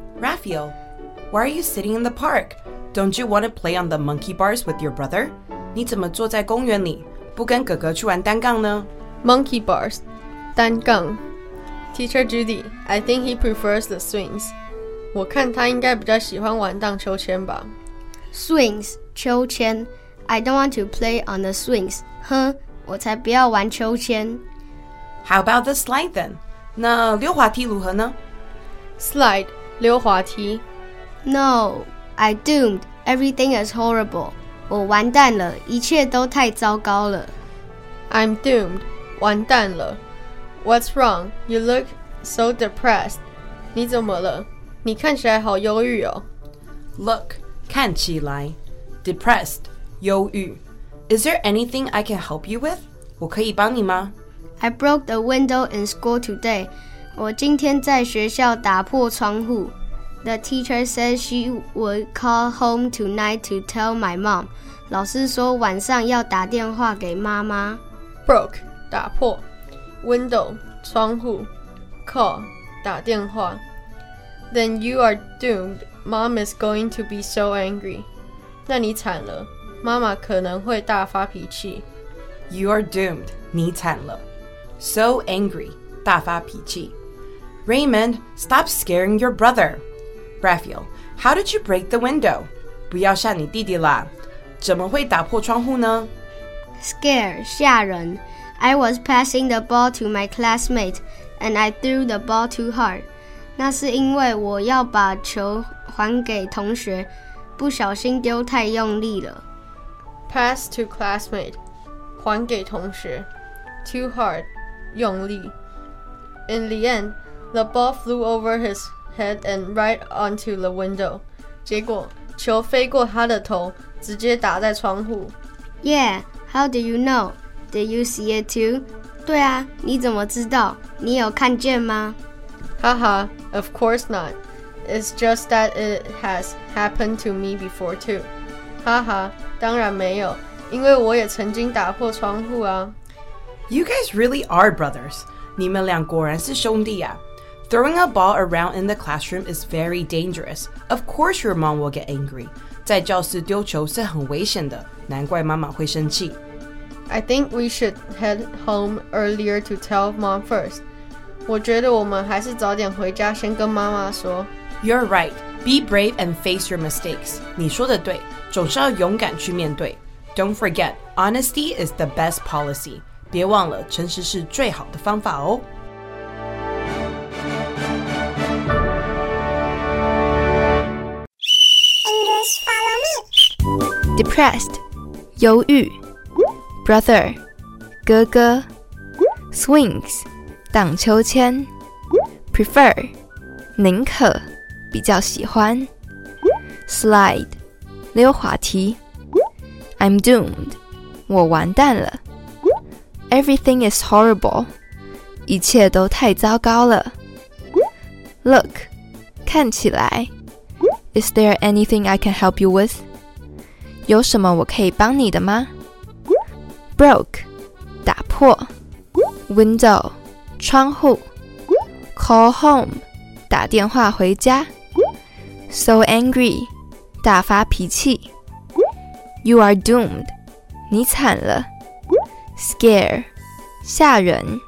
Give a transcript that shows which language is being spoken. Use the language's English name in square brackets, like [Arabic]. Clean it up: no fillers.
[English] Raphael, why are you sitting in the park? Don't you want to play on the monkey bars with your brother? [Chinese] 你怎么坐在公园里，不跟哥哥去玩单杠呢？ [English] Monkey bars, [Chinese] 单杠。 [English] Teacher Judy, I think he prefers the swings. [Chinese] 我看他应该比较喜欢玩荡秋千吧。 [English] Swings, [Chinese] 秋千。 [English] I don't want to play on the swings. [Chinese] 哼，我才不要玩秋千。 [English] How about the slide then? [Chinese] 那溜滑梯如何呢？ [English] Slide, [Chinese] 溜滑梯。 [English] No, I doomed. Everything is horrible. [Chinese] 我完蛋了，一切都太糟糕了。 [English] I'm doomed, [Chinese] 完蛋了。 [English] What's wrong? You look so depressed. [Chinese] 你怎么了？你看起来好忧郁哦。 [English] Look, [Chinese] 看起来。 [English] Depressed. [Chinese] 忧郁。 [English] Is there anything I can help you with? [Chinese] 我可以帮你吗？ [English] I broke the window in school today. [Chinese] 我今天在学校打破窗户。 [English] The teacher said she would call home tonight to tell my mom. [Chinese] 老师说晚上要打电话给妈妈。 [English] Broke, [Chinese] 打破。 [English] Window, [Chinese] 窗户。 [English] Call, [Chinese] 打电话。 [English] Then you are doomed. Mom is going to be so angry. [Chinese] 那你惨了。妈妈可能会大发脾气。 [English] You are doomed, [Chinese] 你惨了。 [English] So angry, [Chinese] 大发脾气。 [English] Raymond, stop scaring your brother. Raphael, how did you break the window? [Chinese] 不要吓你弟弟啦。怎么会打破窗户呢？ [English] Scare, [Chinese] 吓人。 [English] I was passing the ball to my classmate, and I threw the ball too hard. [Chinese] 那是因为我要把球还给同学，不小心丢太用力了。 [English] Pass to classmate, [Chinese] 还给同学。 [English] Too hard, [Chinese] 用力。 [English] In the end, the ball flew over his head and right onto the window. [Chinese] 结果球飞过他的头，直接打在窗户。 [English] Yeah, how do you know? Did you see it too? 对啊， [Chinese] 你怎么知道？你有看见吗？ [English] Haha, of course not. It's just that it has happened to me before too. Haha. [Chinese] 当然没有，因为我也曾经打破窗户啊。 [English] You guys really are brothers. [Chinese] 你们俩果然是兄弟啊。 [English] Throwing a ball around in the classroom is very dangerous. Of course your mom will get angry. [Chinese] 在教室丢球是很危险的，难怪妈妈会生气。 [English] I think we should head home earlier to tell mom first. [Chinese] 我觉得我们还是早点回家先跟妈妈说。 [English] You're right. Be brave and face your mistakes. [Chinese] 你说的对。总是要勇敢去面对。 [English] Don't forget, honesty is the best policy. [Chinese] 别忘了，诚实是最好的方法哦。 [English] English, follow me. Depressed, [Chinese] 忧郁。 [English] Brother, [Chinese] 哥哥。 [English] Swings, [Chinese] 荡秋千。 [English] Prefer, [Chinese] 宁可，比较喜欢。 [English] Slide. [Chinese] 溜滑梯。 [English] I'm doomed. [Chinese] 我完蛋了。 [English] Everything is horrible. [Chinese] 一切都太糟糕了。 [English] Look. [Chinese] 看起来。 [English] Is there anything I can help you with? [Chinese] 有什么我可以帮你的吗？ [English] Broke. [Chinese] 打破。 [English] Window. [Chinese] 窗户。 [English] Call home. [Chinese] 打电话回家。 [English] So angry. [Chinese] 大发脾气。 [English] You are doomed. [Chinese] 你惨了。 [English] Scare. [Chinese] 吓人。